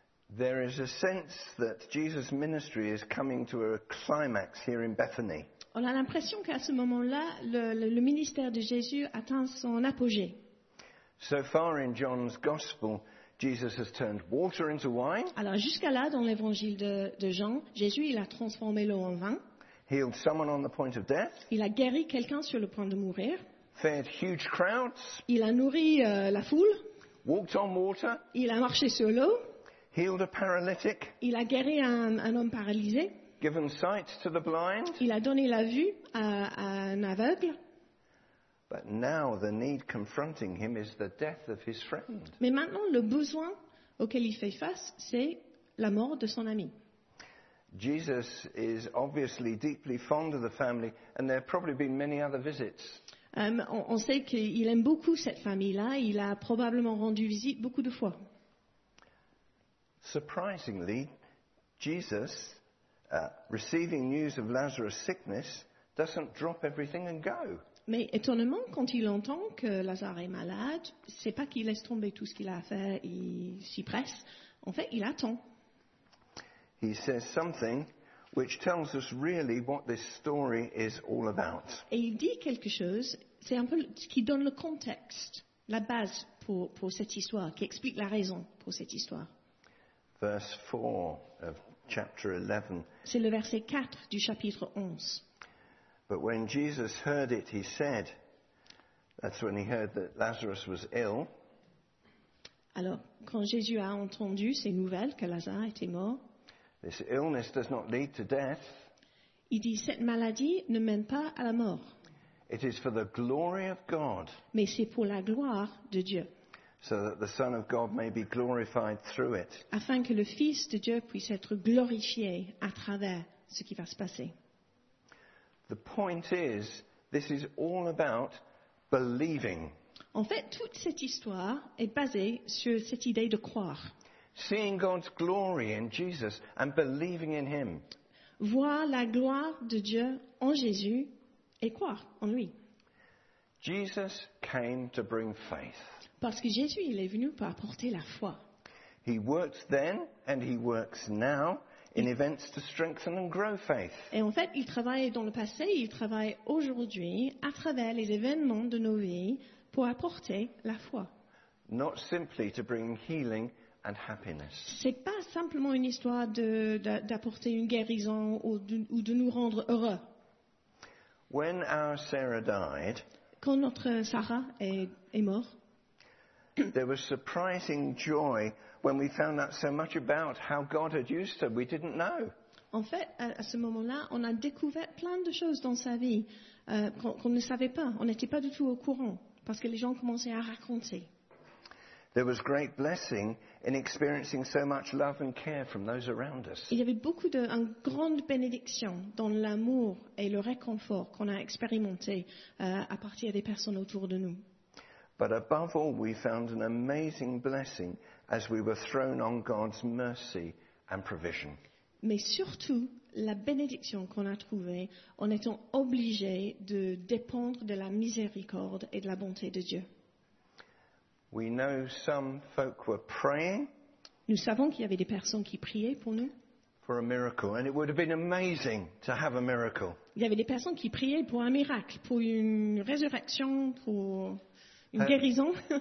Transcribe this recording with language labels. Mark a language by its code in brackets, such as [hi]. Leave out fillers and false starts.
[en] There is a sense that Jesus' ministry is coming to a climax here in Bethany. [fr] On a l'impression qu'à ce moment-là, le ministère de Jésus atteint son apogée. [en] So far in John's gospel, Jesus has turned water into wine. [fr] Alors jusqu'à là, dans l'évangile de Jean, Jésus il a transformé l'eau en vin. [en] Healed someone on the point of death. [fr] Il a guéri quelqu'un sur le point de mourir. [en] Fed huge crowds. [fr] Il a nourri la foule. [en] Walked on water. [fr] Il a marché sur l'eau. [en] Healed a paralytic. [fr] Il a guéri un homme paralysé. [en] Given sight to the blind. [fr] Il a donné la vue à un aveugle. [en] But now the need confronting him is the death of his friend. [fr] Mais maintenant le besoin auquel il fait face, c'est la mort de son ami. [en] Jesus is obviously deeply fond of the family, and there have probably been many other visits. [fr] On sait qu'il aime beaucoup cette famille-là. Il a probablement rendu visite beaucoup de fois. [en] Surprisingly, Jesus, receiving news of Lazarus' sickness, doesn't drop everything and go. [fr] Mais étonnamment, quand il entend que Lazare est malade, c'est pas qu'il laisse tomber tout ce qu'il a à faire, il s'y presse. En fait, il attend. [en] He says something which tells us really what this story is all about. [fr] Et il dit quelque chose, c'est un peu ce qui donne le contexte, la base pour cette histoire, qui explique la raison pour cette histoire. [en] Verse 4 of chapter 11. [fr] C'est le verset 4 du chapitre 11. [en] But when Jesus heard it, he said, that's when he heard that Lazarus was ill. [fr] Alors, quand Jésus a entendu ces nouvelles que Lazare était mort, [en] this illness does not lead to death. [fr] Il dit, cette maladie ne mène pas à la mort. [en] It is for the glory of God. [fr] Mais c'est pour la gloire de Dieu. [en] So that the Son of God may be glorified through it. [fr] Afin que le Fils de Dieu puisse être glorifié à travers ce qui va se passer. [en] The point is, this is all about believing. [fr] En fait, toute cette histoire est basée sur cette idée de croire. [en] Seeing God's glory in Jesus and believing in Him. [fr] Voir la gloire de Dieu en Jésus et croire en lui. [en] Jesus came to bring faith. [fr] Parce que Jésus, il est venu pour apporter la foi. [en] He works then and he works now in events to strengthen and grow faith. [fr] Et en fait, il travaille dans le passé, il travaille aujourd'hui à travers les événements de nos vies pour apporter la foi. [en] Not simply to bring healing and happiness. [fr] C'est pas simplement une histoire d'apporter une guérison ou de nous rendre heureux. [en] When our Sarah died, [fr] quand notre Sarah est morte, [en] there was surprising joy when we found out so much about how God had used her we didn't know. [fr] En fait, à ce moment-là, on a découvert plein de choses dans sa vie qu'on ne savait pas. On n'était pas du tout au courant parce que les gens commençaient à raconter. [en] There was great blessing in experiencing so much love and care from those around us. [fr] Il y avait beaucoup de une grande bénédiction dans l'amour et le réconfort qu'on a expérimenté à partir des personnes autour de nous. [en] But above all, we found an amazing blessing as we were thrown on God's mercy and provision. [fr] Mais surtout, la bénédiction qu'on a trouvée en étant obligé de dépendre de la miséricorde et de la bonté de Dieu. [en] We know some folk were praying. [fr] Nous savons qu'il y avait des personnes qui priaient pour nous. [en] For a miracle, and it would have been amazing to have a miracle. [fr] Il y avait des personnes qui priaient pour un miracle, pour une résurrection, pour une guérison.